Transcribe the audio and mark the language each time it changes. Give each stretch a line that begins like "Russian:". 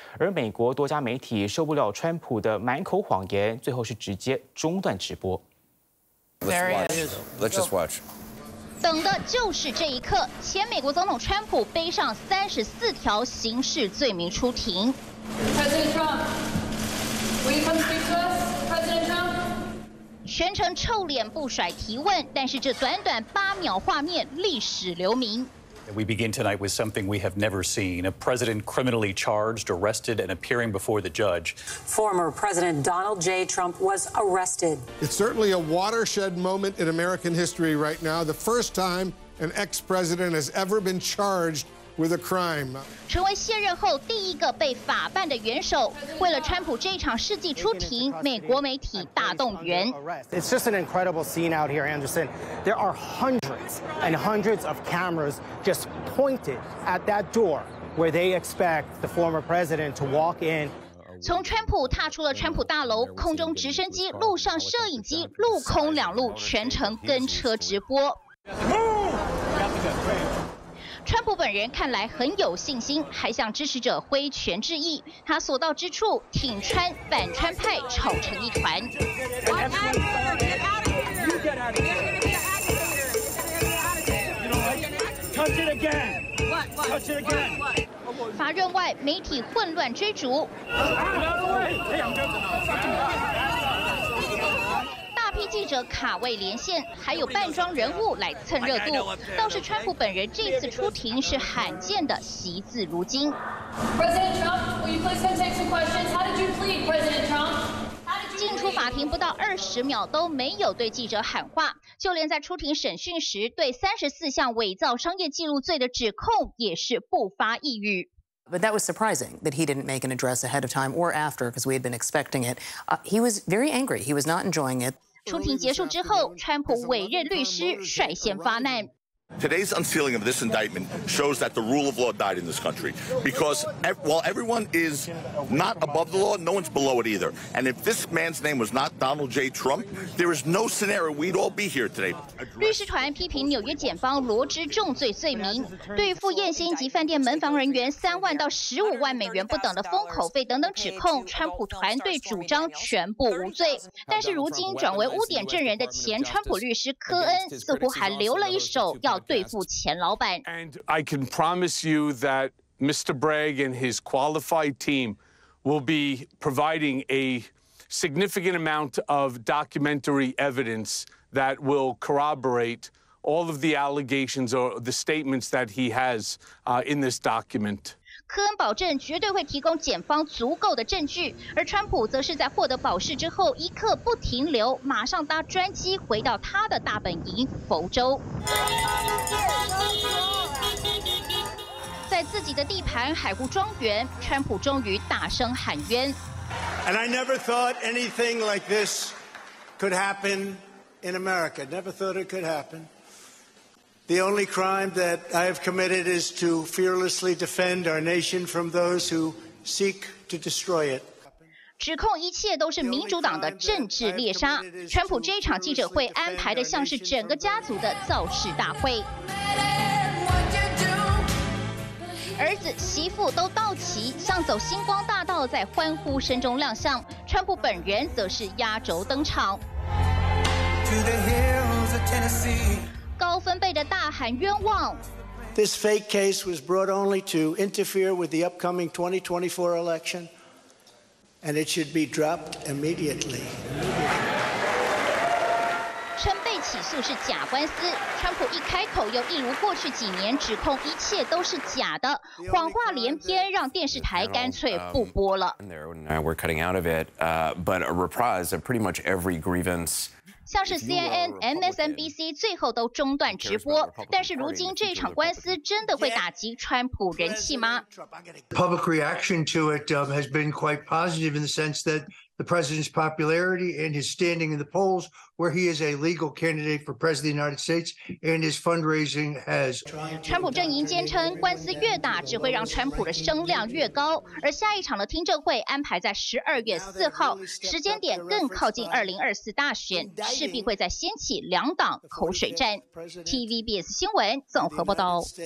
Chinese: 而美国多家媒体受不了川普的满口谎言，最后是直接中断直播。
English: Let's just watch。
Chinese: 等的就是这一刻，前美国总统川普背上34条刑事罪名出庭。
English: President Trump, will you come speak to us? President Trump,
Chinese: 全程臭脸不甩提问，但是这短短8秒画面历史留名。
English: We begin tonight with something we have never seen, a president criminally charged, arrested, and appearing before the judge. Former President Donald J. Trump was arrested. It's certainly a watershed moment in American history right now, the first time an ex-president has ever been charged with a crime.
Chinese: 成为卸任后第一个被法办的元首，为了川普这场世纪出庭，美国媒体大动员。
English: It's just an incredible scene out here, Anderson. There are hundreds and hundreds of cameras just pointed at that door where they expect the former president to walk in.
Chinese: 从川普踏出了川普大楼，空中直升机、陆上摄影机、陆空两路全程跟车直播。川普本人看来很有信心，还向支持者挥拳致意。他所到之处，挺川反川派吵成一团。法院外，媒体混乱追逐。记者卡位连线，还有扮装人物来蹭热度。倒是川普本人这次出庭是罕见的惜字如金。
English: President Trump, will you please come take some questions? How did you plead, President Trump?
Chinese: 进出法庭不到20秒都没有对记者喊话，就连在出庭审讯时，对34项伪造商业记录罪的指控也是不发一语。
English: But that was surprising that he didn't make an address ahead of time or after, because we had been expecting it. He was very angry. He was not enjoying it.
Chinese: 出庭结束之后，川普委任律师率先发难。
English: Today's unsealing of this indictment shows that the rule of law died in this country. Because while everyone is not above the law, no one's below it either. And if this man's name was not Donald J. Trump, there is no scenario we'd all be here today.
Chinese: 律师团批评纽约检方罗织重罪罪名，对付艳星及饭店门房人员$30,000-$150,000不等的封口费等等指控，川普团队主张全部无罪。但是如今转为污点证人的前川普律师科恩，似乎还留了一手要。
English: And I can promise you that Mr. Bragg and his qualified team will be providing a significant amount of documentary evidence that will corroborate all of the allegations or the statements that he has in this document.
Chinese: 科恩保证绝对会提供检方足够的证据，而川普则是在获得保释之后一刻不停留，马上搭专机回到他的大本营佛州。在自己的地盘海湖庄园，川普终于大声喊冤。
English: And I never thought anything like this could happen in America. Never thought it could happen. The only crime that I have committed is to fearlessly defend our nation from those who seek to destroy it.
Chinese: 指控一切都是民主党的政治猎杀。川普这场记者会安排的像是整个家族的造势大会。儿子、媳妇都到齐，像走星光大道，在欢呼声中亮相。川普本人则是压轴登场。
English: To the hills of Tennessee.
Chinese: 高分贝的大喊冤枉。
English: This fake case was brought only to interfere with the upcoming 2024 election, and it should be dropped immediately.
Chinese: 川被起诉是假官司，川普一开口又一如过去几年指控一切都是假的，谎话连篇，让电视台干脆不播了。
English: We're cutting out of it, but a reprise of pretty much every grievance.
Chinese: 像是 CNN、MSNBC 最后都中断直播，但是如今这场官司真的会打击川普人气吗
English: ？Public reaction to it has been quite positive in the sense that the president's popularity and his standing in the polls, where he is a legal candidate for president of the United States, and his fundraising has.
Chinese: 川普阵营坚称，官司越打只会让川普的声量越高，而下一场的听证会安排在12月4号，时间点更靠近2024大选。势必会再掀起两党口水战。TVBS 新闻综合报道。